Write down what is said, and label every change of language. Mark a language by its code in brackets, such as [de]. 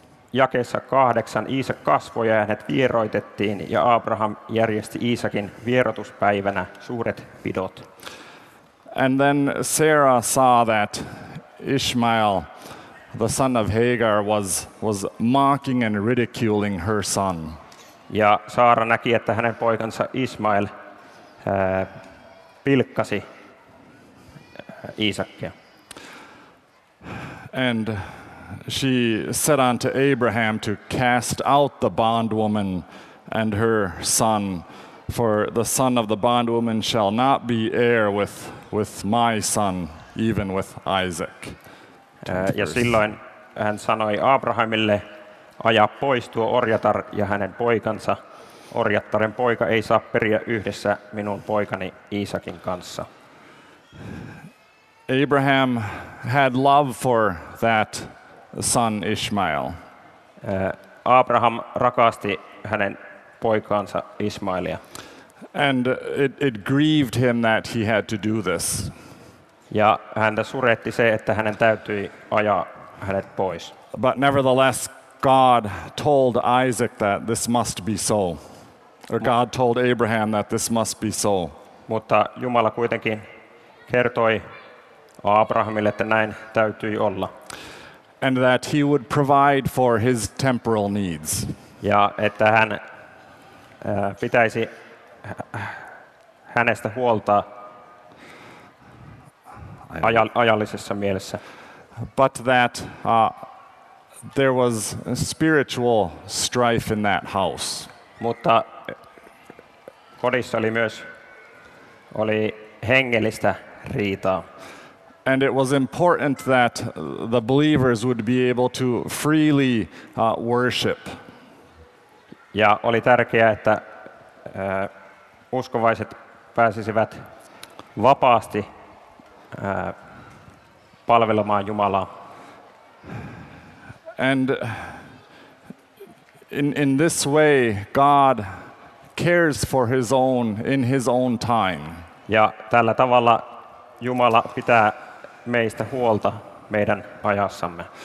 [fi] Jakeessa 8 Iisak kasvoi ja hänet vieroitettiin ja Abraham järjesti Iisakin vierotuspäivänä suuret pidot. [en] And then Sarah saw that Ishmael the son of Hagar was mocking and ridiculing her son. [fi] Ja Saara näki, että hänen poikansa Ismael pilkkasi Iisakia. [en] And she said unto Abraham to cast out the bondwoman and her son, for the son of the bondwoman shall not be heir with my son, even with Isaac. [fi] Ja silloin hän sanoi Abrahamille, aja pois tuo orjatar ja hänen poikansa. Orjattaren poika ei saa periä yhdessä minun poikani Iisakin kanssa. [en] Abraham had love for that son Ishmael. [fi] Abraham rakasti hänen poikaansa Ismailia. [en] And it grieved him that he had to do this. [fi] Ja häntä suretti se, että hänen täytyi ajaa hänet pois. [en] But nevertheless, God told Isaac that this must be so. Or God told Abraham that this must be so. [fi] Mutta Jumala kuitenkin kertoi Abrahamille, että näin täytyi olla. [en] And that he would provide for his temporal needs. [fi] Ja että hän pitäisi hänestä huolta ajallisessa mielessä. [en] But that there was spiritual strife in that house. [fi] Mutta kodissa oli myös oli hengellistä riitaa. [en] And it was important that the believers would be able to freely worship. [fi] Ja oli tärkeää, että uskovaiset pääsisivät vapaasti palvelemaan Jumalaa. [en] And in this way God cares for his own in his own time. [fi] Ja tällä tavalla Jumala pitää meistä huolta meidän ajassamme.